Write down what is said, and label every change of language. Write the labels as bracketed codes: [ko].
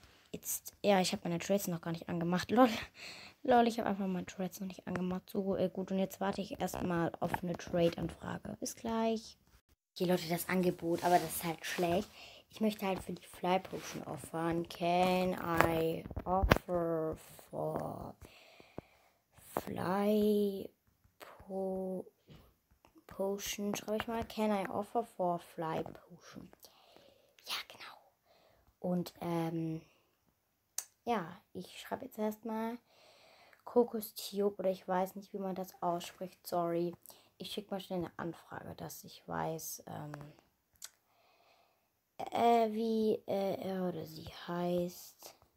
[de] Jetzt, ja, ich habe meine Trades noch gar nicht angemacht. Lol. Lol, ich habe einfach meine Trades noch nicht angemacht. So gut, und jetzt warte ich erstmal auf eine Trade-Anfrage. Bis gleich. Okay, Leute, das Angebot, aber das ist halt schlecht. Ich möchte halt für die Fly Potion offern. [en] Can I offer for Fly Potion? [de] Schreibe ich mal. [en] Can I offer for Fly Potion? [de] Und ja, ich schreibe jetzt erstmal Kokostiob oder ich weiß nicht, wie man das ausspricht. Sorry. Ich schicke mal schnell eine Anfrage, dass ich weiß, wie er oder sie heißt.